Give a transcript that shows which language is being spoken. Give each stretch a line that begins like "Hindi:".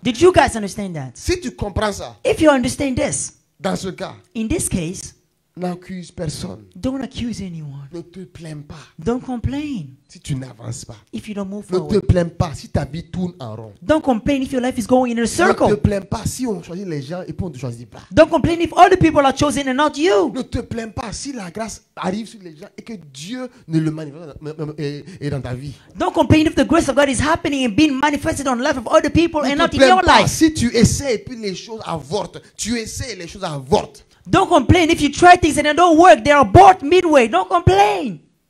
English: Did you guys understand that?
French: Si tu comprends ça,
English: if you understand this,
French: dans ce cas,
English: in this case,
French: n'accuse personne.
English: Don't accuse anyone.
French: Ne te plains pas.
English: Don't complain.
French: Si tu n'avances pas.
English: If you don't move forward.
French: Ne te plains pas si ta vie tourne en rond.
English: Don't complain if your life is going in a circle.
French: Ne te plains pas si on choisit les gens et puis on ne choisit pas.
English: Don't complain if all the people are chosen and not you.
French: Ne te plains pas si la grâce arrive sur les gens et que Dieu ne le manifeste dans ta vie.
English: Don't complain if the grace of God is happening and being manifested on the life of other people
French: ne
English: and not in your life.
French: Si tu essaies et puis les choses avortent. Tu essaies et les choses avortent.
English: Don't complain if you try things and they don't work. They are bought midway. Don't complain.